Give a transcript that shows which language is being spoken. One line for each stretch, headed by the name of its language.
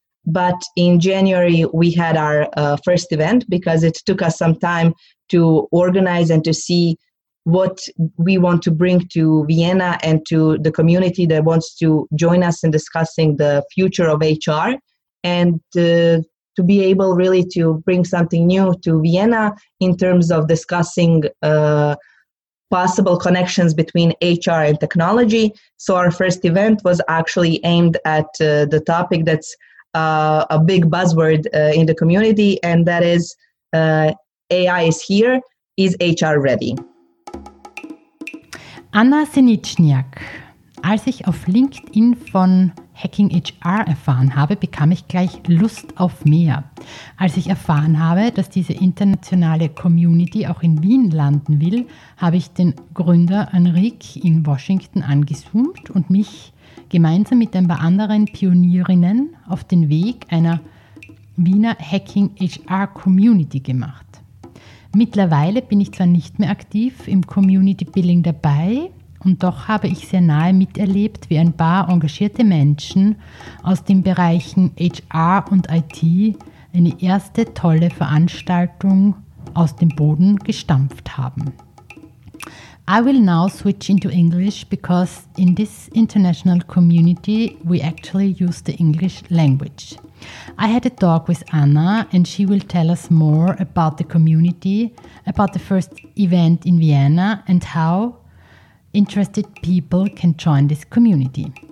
English: But in January, we had our first event because it took us some time to organize and to see what we want to bring to Vienna and to the community that wants to join us in discussing the future of HR and to be able really to bring something new to Vienna in terms of discussing possible connections between HR and technology. So our first event was actually aimed at the topic that's a big buzzword in the community, and that is AI is here, is HR ready?
German: Anna Senitschniak. Als ich auf LinkedIn von Hacking HR erfahren habe, bekam ich gleich Lust auf mehr. Als ich erfahren habe, dass diese internationale Community auch in Wien landen will, habe ich den Gründer Enrique in Washington angezoomt und mich gemeinsam mit ein paar anderen Pionierinnen auf den Weg einer Wiener Hacking HR Community gemacht. Mittlerweile bin ich zwar nicht mehr aktiv im Community Building dabei, und doch habe ich sehr nahe miterlebt, wie ein paar engagierte Menschen aus den Bereichen HR und IT eine erste tolle Veranstaltung aus dem Boden gestampft haben.
English: I will now switch into English because in this international community we actually use the English language. I had a talk with Anna and she will tell us more about the community, about the first event in Vienna and how interested people can join this community.